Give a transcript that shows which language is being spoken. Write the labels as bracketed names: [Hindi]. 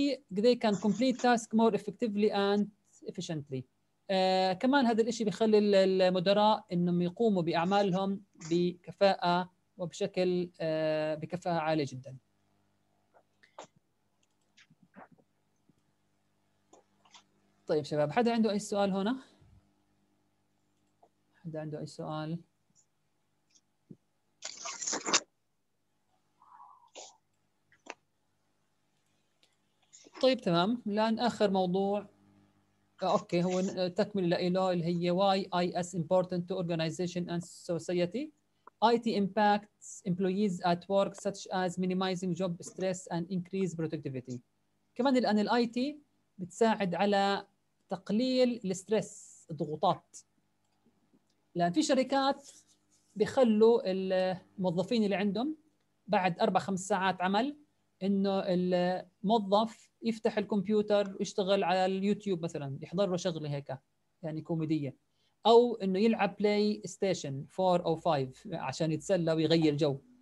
[English] They can complete task more effectively and efficiently. [Arabic] كمان هذا الإشي بيخلي المدراء إنهم يقوموا بأعمالهم بكفاءة وبشكل بكفاءة عالية جدا. طيب شباب، حدا عنده أي سؤال هنا؟ حدا عنده أي سؤال؟ طيب تمام. الآن آخر موضوع أوكي هو تكمل لإله اللي هي [English] why IS important to organization and society. IT impacts employees at work such as minimizing job stress and increase productivity. [Arabic] كمان الآن الـ IT بتساعد على تقليل الستريس الضغوطات. لأن في شركات بيخلوا الموظفين اللي عندهم بعد 4-5 ساعات عمل إنه الموظف يفتح الكمبيوتر ويشتغل على اليوتيوب مثلاً يحضر له شغلة هيك يعني كوميدية أو إنه يلعب بلاي ستيشن 4 أو 5 عشان يتسلى ويغير جو.